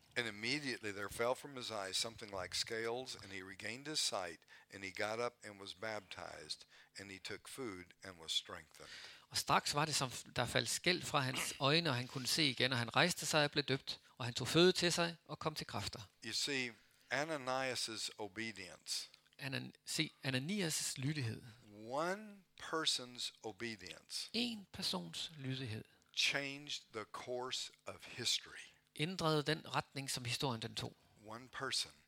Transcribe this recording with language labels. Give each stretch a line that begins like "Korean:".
English: And immediately there fell from his eyes something like scales, and he regained his sight, and he got up and was baptized, and he took food and was strengthened.
Danish: Og straks var det som der faldt skæl fra hans øjne, og han kunne se igen, og han rejste sig og blev døbt, og han tog føde til sig og kom til kræfter.
English: You see, Ananias's obedience.
Danish: Ananias' lydighed.
English: One person's obedience.
Danish: En persons lydighed.
English: Changed the course of history.
Danish: Ændrede den retning, som historien den tog.
English: One person.